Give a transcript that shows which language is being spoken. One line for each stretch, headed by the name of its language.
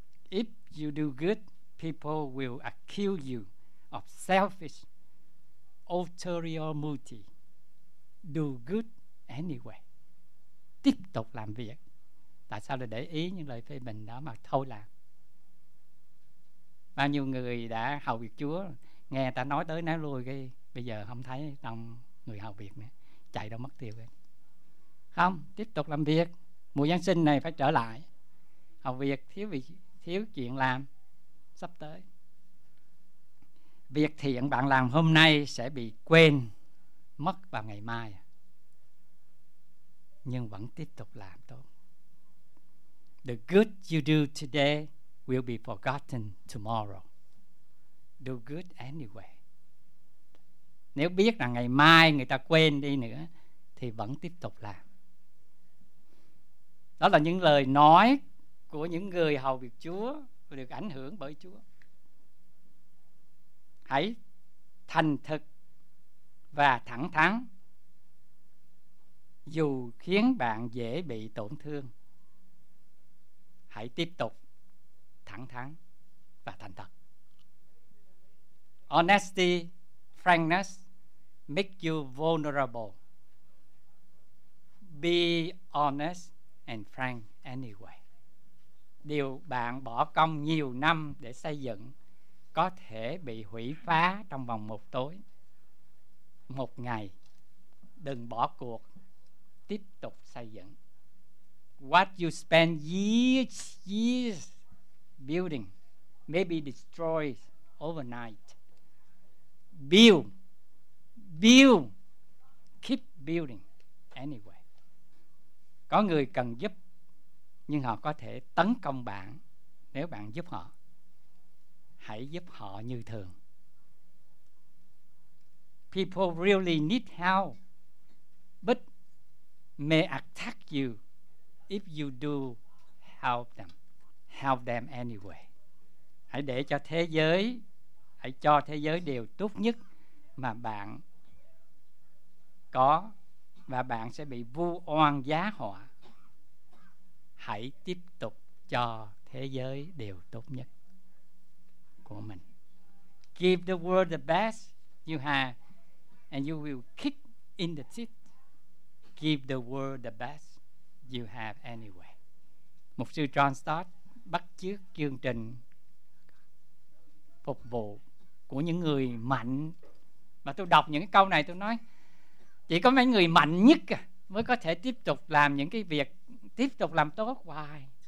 English: If you do good, people will accuse you of selfish, ulterior motive. Do good anyway.
Vietnamese: Tiếp tục làm việc. Tại sao lại để ý những lời phê bình đó mà thôi làm? Bao nhiêu người đã hầu việc Chúa, nghe ta nói tới nói lui cái bây giờ không thấy trong người hầu việc nữa, chạy đâu mất tiêu rồi. Không, tiếp tục làm việc. Mùa Giáng sinh này phải trở lại hầu việc, thiếu việc, thiếu chuyện làm sắp tới. Việc thiện bạn làm hôm nay sẽ bị quên mất vào ngày mai, nhưng vẫn tiếp tục làm tốt.
English: The good you do today will be forgotten tomorrow. Do good anyway.
Vietnamese: Nếu biết rằng ngày mai người ta quên đi nữa thì vẫn tiếp tục làm. Đó là những lời nói của những người hầu việc Chúa được ảnh hưởng bởi Chúa. Hãy thành thực và thẳng thắn, dù khiến bạn dễ bị tổn thương, hãy tiếp tục thẳng thắn và thành thật.
English: Honesty, frankness make you vulnerable. Be honest and frank anyway.
Vietnamese: điều bạn bỏ công nhiều năm để xây dựng có thể bị hủy phá trong vòng một tối, một ngày. Đừng bỏ cuộc, tiếp tục xây dựng.
English: What you spend years building may be destroyed overnight. Build, keep building anyway.
Vietnamese: Có người cần giúp, nhưng họ có thể tấn công bạn nếu bạn giúp họ. Hãy giúp họ như thường.
English: People really need help, but may attack you if you do help them. Help them anyway.
Vietnamese: Hãy để cho thế giới, hãy cho thế giới điều tốt nhất mà bạn có, và bạn sẽ bị vu oan giá họa. Hãy tiếp tục cho thế giới điều tốt nhất của mình.
English: Give the world the best you have, and you will kick in the teeth. Give the world the best you have anyway.
Vietnamese: Mục sư John Stott bắt chước chương trình phục vụ của những người mạnh. Mà tôi đọc những cái câu này tôi nói, chỉ có mấy người mạnh nhất mới có thể tiếp tục làm những cái việc, tiếp tục làm tốt hoài.